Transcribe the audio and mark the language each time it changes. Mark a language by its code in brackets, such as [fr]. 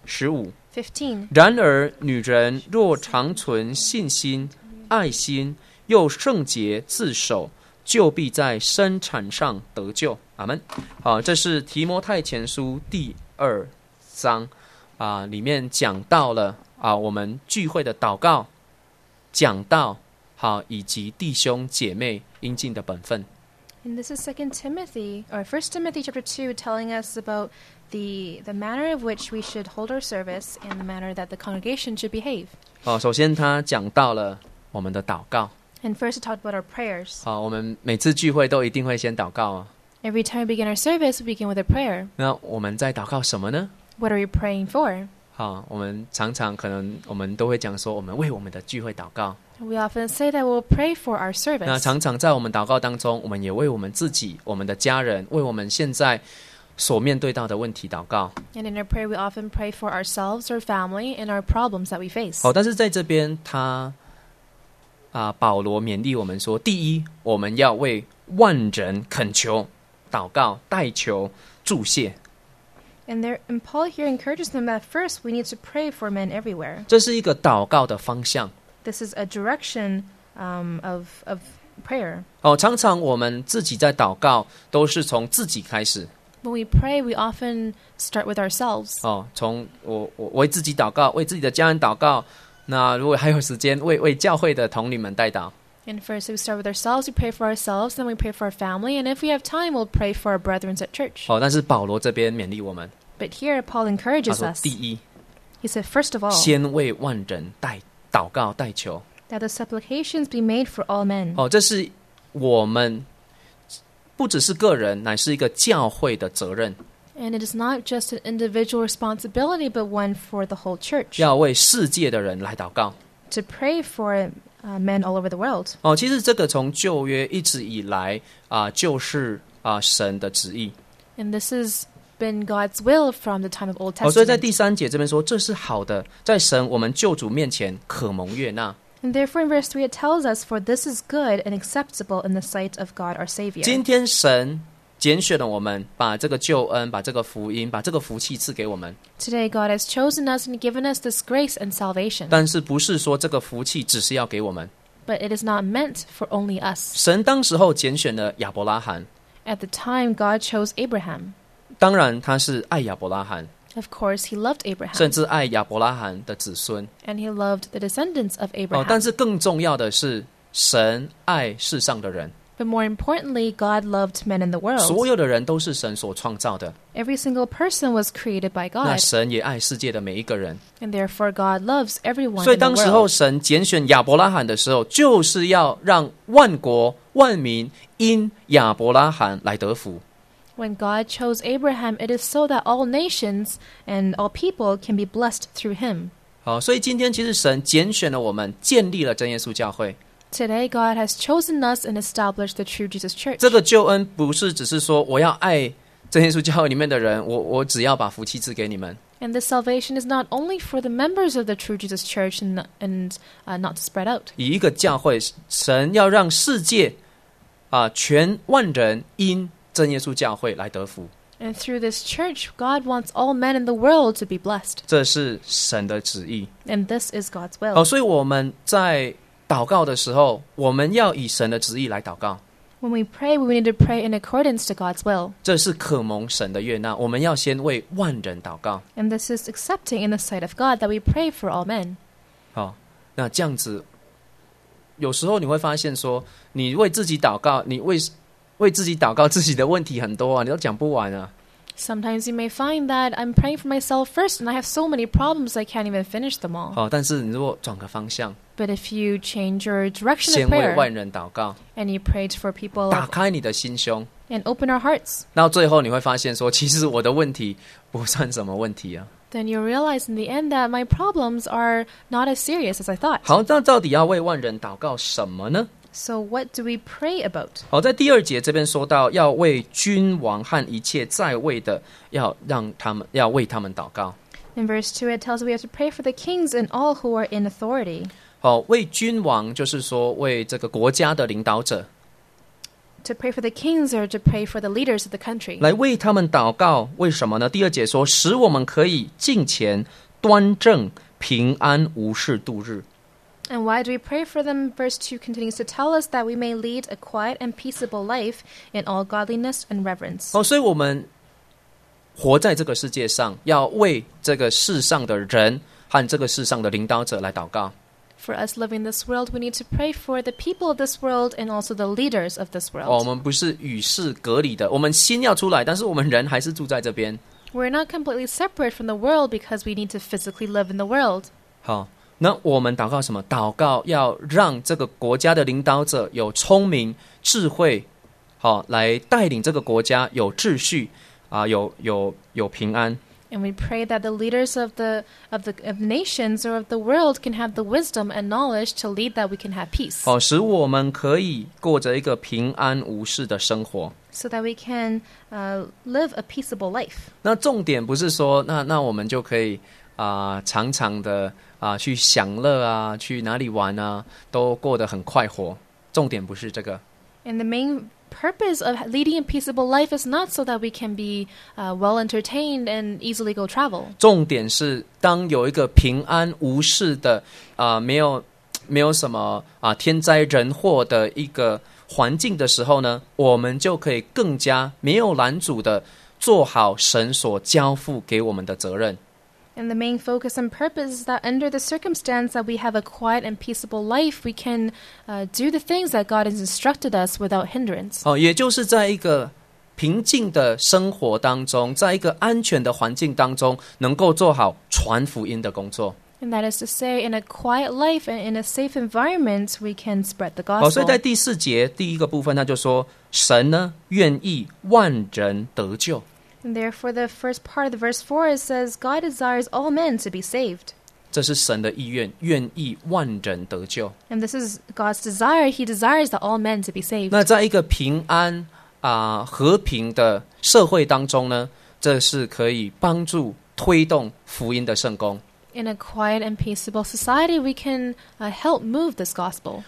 [zh] 十五，然而女人若长存信心、爱心，又圣洁自守，就必在生产上得救。阿们。好，这是提摩太前书第二章啊，里面讲到了啊，我们聚会的祷告、讲道，好，以及弟兄姐妹应尽的本分。 [en] And this is Second Timothy or First Timothy chapter 2 telling us about the manner of which we should hold our service and the manner that the congregation should behave. [zh] 好，首先他讲到了我们的祷告。 [en] And first, we talked about our prayers. [zh] 好，我们每次聚会都一定会先祷告啊。 [en] Every time we begin our service, we begin with a prayer. [zh] 那我们在祷告什么呢？ [en] What are you praying for? [zh] 好，我们常常可能我们都会讲说，我们为我们的聚会祷告。 [en] We often say that we'll pray for our service. [zh] 那常常在我们祷告当中，我们也为我们自己、我们的家人、为我们现在所面对到的问题祷告。 [en] And in our prayer, we often pray for ourselves, our family, and our problems that we face. [zh] 好，但是在这边他。保罗勉励我们说，第一，我们要为万人恳求、祷告、代求、祝谢。 [en] And there, and Paul here encourages them that first we need to pray for men everywhere. [zh] 这是一个祷告的方向。 [en] This is a direction, of prayer. [zh] 哦，常常我们自己在祷告都是从自己开始。 [en] When we pray, we often start with ourselves. [zh] 哦，从我为自己祷告，为自己的家人祷告。那如果还有时间为教会的同龄们代祷。 [en] And first we start with ourselves, we pray for ourselves, then we pray for our family, and if we have time, we'll pray for our brethren at church. [zh] 好，但是保罗这边勉励我们。 [en] But here Paul encourages us. [zh] 第一。 [en] He said, first of all, [zh] 先为万人代祷告代求。 [en] That the supplications be made for all men. [zh] 好，这是我们不只是个人，乃是一个教会的责任。 [en] And it is not just an individual responsibility, but one for the whole church. [zh] 要为世界的人来祷告。 [en] To pray for men all over the world. [zh] 哦，其实这个从旧约一直以来就是神的旨意。 [en] And this has been God's will from the time of Old Testament. [zh] 哦，所以在第三节这边说，这是好的，在神我们救主面前可蒙悦纳。 [en] And therefore, in verse 3, it tells us, "For this is good and acceptable in the sight of God, our Savior." [zh] 今天神拣选了我们，把这个救恩、把这个福音、把这个福气赐给我们。 [en] Today God has chosen us and given us this grace and salvation. [zh] 但是不是说这个福气只是要给我们。 [en] But it is not meant for only us. [zh] 神当时候拣选了亚伯拉罕。 [en] At the time God chose Abraham. [zh] 当然他是爱亚伯拉罕。 [en] Of course he loved Abraham. [zh] 甚至爱亚伯拉罕的子孙。 [en] And he loved the descendants of Abraham. [zh] 但是更重要的是神爱世上的人。 [en] But more importantly, God loved men in the world. [zh] 所有的人都是神所创造的。 [en] Every single person was created by God. [zh] 那神也爱世界的每一个人。 [en] And therefore, God loves everyone in the [zh] world. 所以当时候神拣选亚伯拉罕的时候，就是要让万国万民因亚伯拉罕来得福。 [en] When God chose Abraham, it is so that all nations and all people can be blessed through him. [zh] 好，所以今天其实神拣选了我们，建立了真耶稣教会。 [en] Today, God has chosen us and established the true Jesus Church. [zh] 这个救恩不是只是说我要爱真耶稣教会里面的人，我只要把福气赐给你们。 [en] And the salvation is not only for the members of the true Jesus Church and not spread out. [zh] 以一个教会，神要让世界全万人因真耶稣教会来得福。 [en] And through this church, God wants all men in the world to be blessed. [zh] 这是神的旨意。 [en] And this is God's will. [zh] 所以我们在祷告的时候，我们要以神的旨意来祷告。 [en] When we pray, we need to pray in accordance to God's will. [zh] 这是可蒙神的悦纳，我们要先为万人祷告。 [en] And this is accepting in the sight of God that we pray for all men. [zh] 好，那这样子，有时候你会发现说，你为自己祷告，你为自己祷告，自己的问题很多啊，你都讲不完啊。 [en] Sometimes you may find that I'm praying for myself first and I have so many problems I can't even finish them all. [zh] 好，但是你如果转个方向， [en] But if you change your direction of prayer, [zh] 先为万人祷告， [en] and you prayed for people, [zh] 打开你的心胸， [en] and open our hearts, [zh] 那最后你会发现说，其实我的问题不算什么问题啊。 [en] Then you realize in the end that my problems are not as serious as I thought. [zh] 好，那到底要为万人祷告什么呢？ [en] So what do we pray about? [zh] 好，在第二节这边说到要为君王和一切在位的要让他们要为他们祷告。 [en] In verse 2 it tells us we have to pray for the kings and all who are in authority. [zh] 好，为君王就是说为这个国家的领导者。 [en] To pray for the kings or to pray for the leaders of the country. [zh] 来为他们祷告，为什么呢？第二节说，使我们可以敬虔、端正、平安、无事度日。 [en] And why do we pray for them? Verse 2 continues to tell us that we may lead a quiet and peaceable life in all godliness and reverence. [zh] 哦，所以我们活在这个世界上，要为这个世上的人和这个世上的领导者来祷告。 [en] For us living in this world, we need to pray for the people of this world and also the leaders of this world. [zh] 哦，我们不是与世隔离的，我们心要出来，但是我们人还是住在这边。 [en] We're not completely separate from the world because we need to physically live in the world. [zh] 好。那我们祷告什么？祷告要让这个国家的领导者有聪明智慧，好，来带领这个国家有秩序，啊，有平安。 [en] And we pray that the leaders of the nations or of the world can have the wisdom and knowledge to lead that we can have peace. [zh] 好，使我们可以过着一个平安无事的生活。 [en] So that we can live a peaceable life. [zh] 那重点不是说那我们就可以常常的。去享乐啊，去哪里玩啊，都过得很快活。重点不是这个。 [en] And the main purpose of leading a peaceable life is not so that we can be well entertained and easily go travel. [zh] 重点是当有一个平安无事的没有什么天灾人祸的一个环境的时候呢，我们就可以更加没有拦阻的做好神所交付给我们的责任。 [en] And the main focus and purpose is that under the circumstance that we have a quiet and peaceable life, we can do the things that God has instructed us without hindrance. [zh] 哦，也就是在一个平静的生活当中，在一个安全的环境当中，能够做好传福音的工作。 [en] And that is to say, in a quiet life and in a safe environment, we can spread the gospel. [zh] 哦，所以在第四节第一个部分，他就说，神呢，愿意万人得救。 [en] And therefore, the first part of the verse 4, it says, God desires all men to be saved. [zh] 这是神的意愿，愿意万人得救。 [en] And this is God's desire. He desires that all men to be saved. [zh] 那在一个平安和平的社会当中呢，这是可以帮助推动福音的圣工。 [en] In a quiet and peaceable society, we can help move this gospel.